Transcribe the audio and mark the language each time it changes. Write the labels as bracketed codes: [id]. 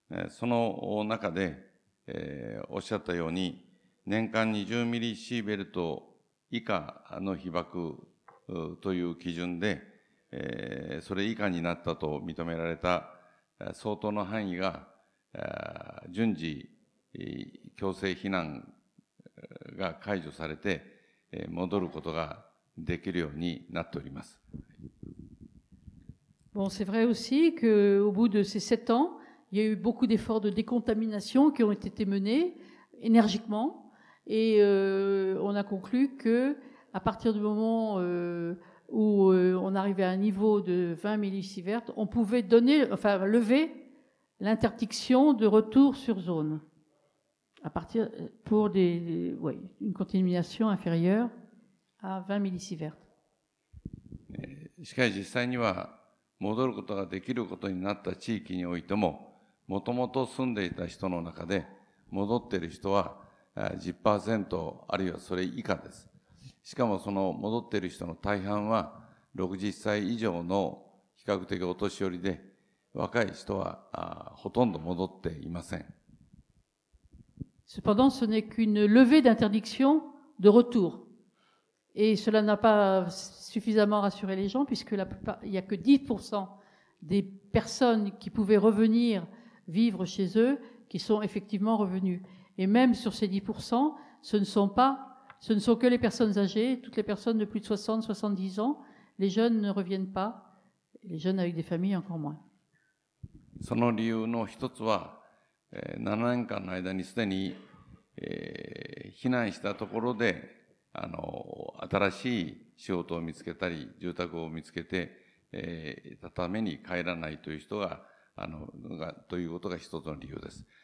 [ja] その中で、おっしゃったように年間20ミリシーベルト以下の被曝という基準で、それ以下になったと認められた相当の範囲が順次強制避難が解除されて戻ることができるようになっております。 [fr] Bon, c'est vrai aussi que au bout de ces 7 ans, il y a eu beaucoup d'efforts de décontamination qui ont été menés énergiquement et on a conclu que à partir du moment où on arrivait à un niveau de 20 millisieverts, on pouvait donner, enfin, lever l'interdiction de retour sur zone à partir pour une contamination inférieure à 20 millisieverts. [ja] しかし実際には戻ることができることになった地域においても、もともと住んでいた人の中で戻っている人は 10% あるいはそれ以下です。しかもその戻っている人の大半は60歳以上の比較的お年寄りで若い人はほとんど戻っていません。 [fr] Cependant, ce n'est qu'une levée d'interdiction de retour. Et cela n'a pas suffisamment rassuré les gens, puisque la plupart, il n'y a que 10% des personnes qui pouvaient revenir vivre chez eux qui sont effectivement revenues. Et même sur ces 10%, ce ne sont que les personnes âgées, toutes les personnes de plus de 60, 70 ans. Les jeunes ne reviennent pas, les jeunes avec des familles encore moins. [ja] その理由の一つは、7年間の間にすでに、避難したところで新しい仕事を見つけたり、住宅を見つけて、たために帰らないという人が、ということが一つの理由です。